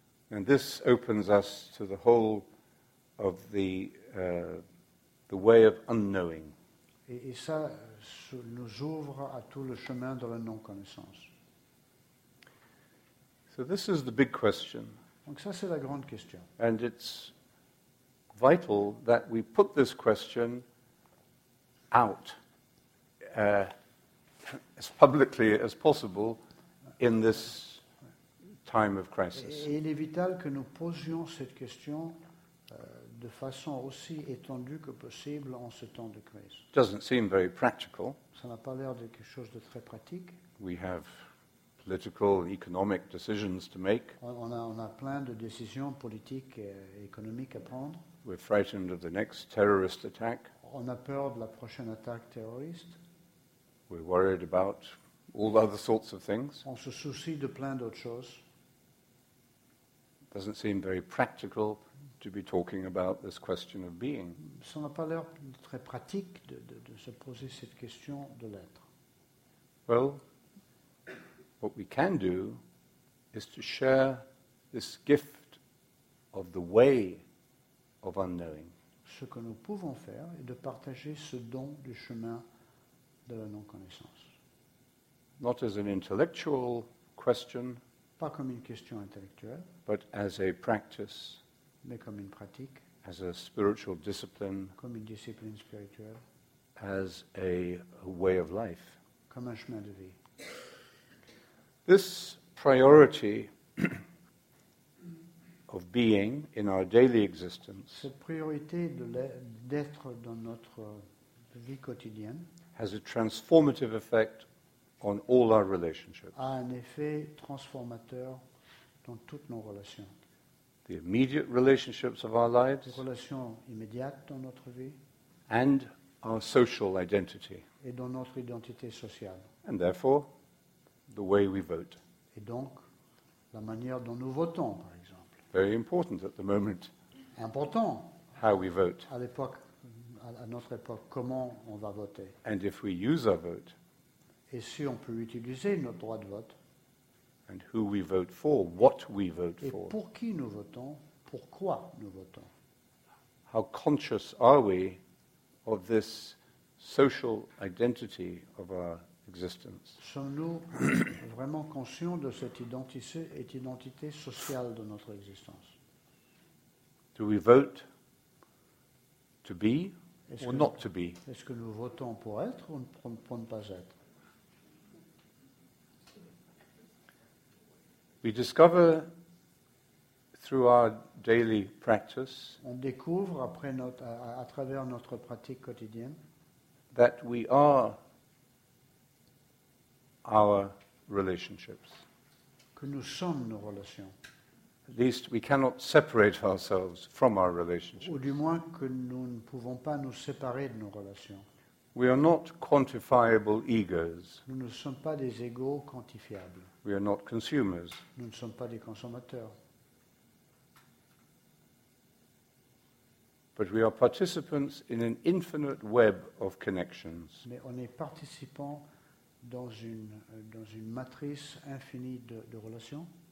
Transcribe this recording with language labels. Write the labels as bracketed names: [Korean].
[English] And this opens us to the whole of the way of unknowing. [French] Et ça nous ouvre à tout le chemin de la non-connaissance. [English] So this is the big question. [French] Donc ça, c'est la grande question. [English] And it's vital that we put this question out as publicly as possible in this time of crisis. [French] Et il est vital que nous posions cette question de façon aussi étendue que possible en ce temps de crise. [English] It doesn't seem very practical. [French] Ça n'a pas l'air de quelque chose de très pratique. [English] We have political, economic decisions to make. [French] On a plein de décisions politiques et économiques à prendre. [English] We're frightened of the next terrorist attack. [French] On a peur de la prochaine attaque terroriste. [English] We're worried about all other sorts of things. [French] On se soucie de plein d'autres choses. [English] Doesn't seem very practical to be talking about this question of being. [French] Ça n'a pas l'air très pratique de se poser cette question de l'être. [English] Well, what we can do is to share this gift of the way of unknowing. [French] Ce que nous pouvons faire est de partager ce don du chemin de la non-connaissance. [English] Not as an intellectual question, [French] pas comme une question intellectuelle, [English] but as a practice, [French] mais comme une pratique, [English] as a spiritual discipline, [French] comme une discipline spirituelle, [English] as a way of life, [French] comme un chemin de vie. [English] This priority of being in our daily existence, [French] cette priorité d'être dans notre vie quotidienne, [English] has a transformative effect on all our relationships. [French] A un effet transformateur dans toutes nos relations. [English] The immediate relationships of our lives. [French] Relations immédiates dans notre vie. [English] And our social identity. [French] Et dans notre identité sociale. [English] And therefore, the way we vote. [French] Et donc, la manière dont nous votons, par exemple. [English] very important at the moment. [French] Important. [English] How we vote. [French] À l'époque, à notre époque, comment on va voter. [English] And if we use our vote. [French] Et si on peut utiliser notre droit de vote. [English] And who we vote for, what we vote [French] et [English] for. [French] Et pour qui nous votons, pourquoi nous votons. [English] How conscious are we of this social identity of our existence. [French] Sommes-nous vraiment conscients de cette identité sociale de notre existence? [English] Do we vote to be [French] est-ce [English] or [French] que, [English] not to be? [French] Est-ce que nous votons pour être ou pour ne pas être? [English] We discover through our daily practice. [French] On découvre après notre à travers notre pratique quotidienne. [English] That we are our relationships. [French] Que nous sommes nos relations. [English] At least we cannot separate ourselves from our relationships. [French] Ou du moins que nous ne pouvons pas nous séparer de nos relations. [English] We are not quantifiable egos. [French] Nous ne sommes pas des égaux quantifiables. [English] We are not consumers. [French] Nous ne sommes pas des consommateurs. [English] But we are participants in an infinite web of connections. [French] Mais on est participants dans une matrice infinie de relations.